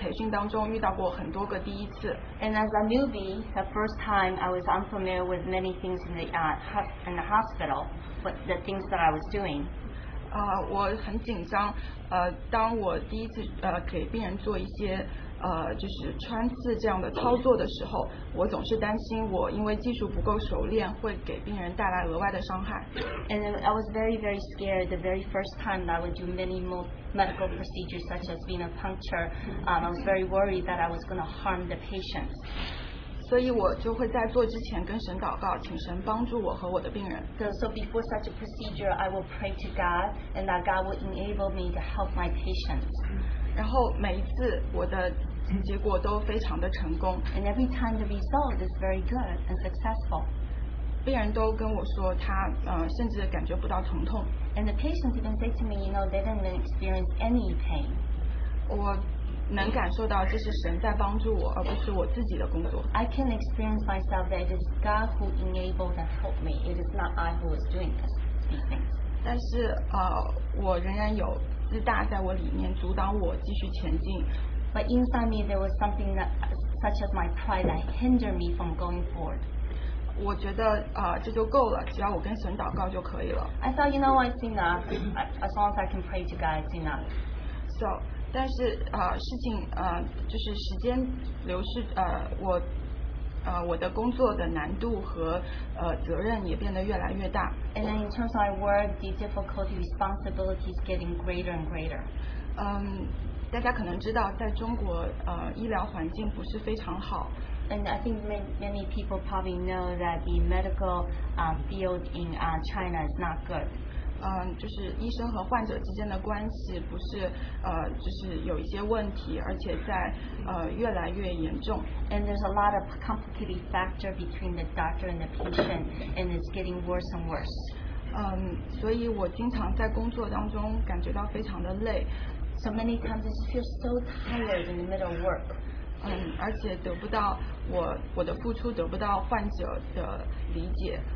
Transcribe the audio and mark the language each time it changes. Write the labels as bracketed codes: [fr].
[zh] 我做一个新手在住院医培训当中遇到过很多个第一次。 [en] And as a newbie, the first time I was unfamiliar with many things in the hospital, but the things that I was doing. [zh] 我很紧张，当我第一次给病人做一些就是穿刺这样的操作的时候 我总是担心我因为技术不够熟练 会给病人带来额外的伤害 [en] And I was very very scared the very first time that I would do many medical procedures such as venipuncture I was very worried that I was going to harm the patients [zh] 所以我就会在做之前跟神祷告 请神帮助我和我的病人 [en] So before such a procedure I will pray to God and that God will enable me to help my patients [zh] 然后每一次我的 结果都非常的成功 [en] And every time the result is very good and successful [zh] 病人都跟我说他 甚至感觉不到疼痛 [en] And the patients even say to me You know, they didn't experience any pain [zh] 我能感受到这是神在帮助我 而不是我自己的工作 [en] I can experience myself that it is God who enabled and helped me It is not I who is doing this, these things [zh] 但是 我仍然有自大在我里面阻挡我继续前进 [en] But inside me, there was something that, such as my pride that hindered me from going forward. [zh] 我觉得, 这就够了, 只要我跟神祷告就可以了。 [en] I thought, you know, it's enough. As long as I can pray to God, it's enough. So, [zh] 但是, 事情, 就是时间流逝, 我, 我的工作的难度和, 责任也变得越来越大。 [en] And then in terms of my work, the difficulty, responsibilities getting greater and greater. [zh] 大家可能知道在中国 医疗环境不是非常好 [en] And I think many people probably know that the medical field in China is not good [zh] 就是医生和患者之间的关系不是 就是有一些问题 而且在 越来越严重 [en] And there's a lot of complicated factor between the doctor and the patient and it's getting worse and worse [zh] 所以我经常在工作当中感觉到非常的累 [en] So many times I just feel so tired in the middle of work. [zh] 而且得不到我的付出得不到患者的理解。